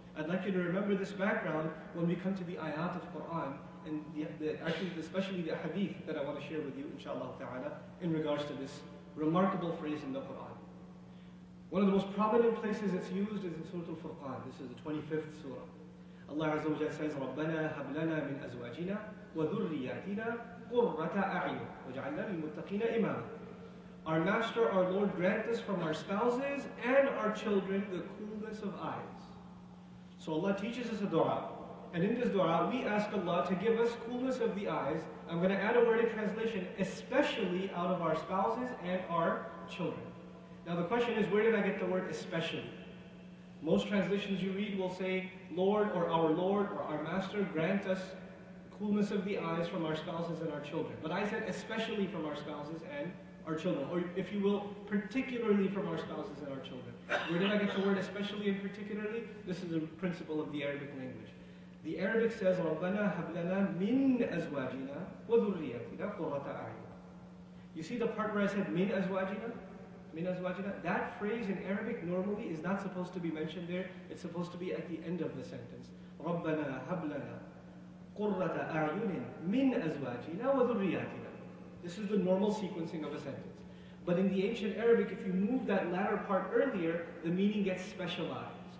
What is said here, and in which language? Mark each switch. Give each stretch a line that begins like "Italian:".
English: I'd like you to remember this background when we come to the ayat of Quran and especially the hadith that I want to share with you, inshallah ta'ala, in regards to this remarkable phrase in the Quran. One of the most prominent places it's used is in Surah Al-Furqan. This is the 25th surah.
Arabic: Allah Azza wa Jalla says, رَبَّنَا هَبْ لَنَا مِنْ أَزْوَاجِنَا وَذُرِّيَاتِنَا قُرَّةَ أَعْيُنٍ وَجَعَلْنَا لِلْمُتَّقِينَ إِمَامًا.
English: Our Master, our Lord, grant us from our spouses and our children the coolness of eyes. So Allah teaches us a dua. And in this dua, we ask Allah to give us coolness of the eyes. I'm going to add a word in translation, especially out of our spouses and our children. Now the question is, where did I get the word especially? Most translations you read will say, Lord or our Lord or our Master, grant us coolness of the eyes from our spouses and our children. But I said especially from our spouses and our children, or if you will, particularly from our spouses and our children. Where did I get the word especially and particularly? This is a principle of the Arabic language. The Arabic says,
Arabic: رَبَّنَا هَبْ لَنَا مِنْ أَزْوَاجِنَا وَذُرِّيَاتِنَا قُرَّةَ أَعْيُنٍ.
English: You see the part where I said,
Arabic: مِنْ أَزْوَاجِنَا?
English: That phrase in Arabic normally is not supposed to be mentioned there. It's supposed to be at the end of the sentence.
Arabic: رَبَّنَا هَبْ لَنَا قُرَّةَ أَعْيُنٍ مِنْ أَزْوَاجِنَا وَذُرِّيَاتِنَا.
English: This is the normal sequencing of a sentence. But in the ancient Arabic, if you move that latter part earlier, the meaning gets specialized.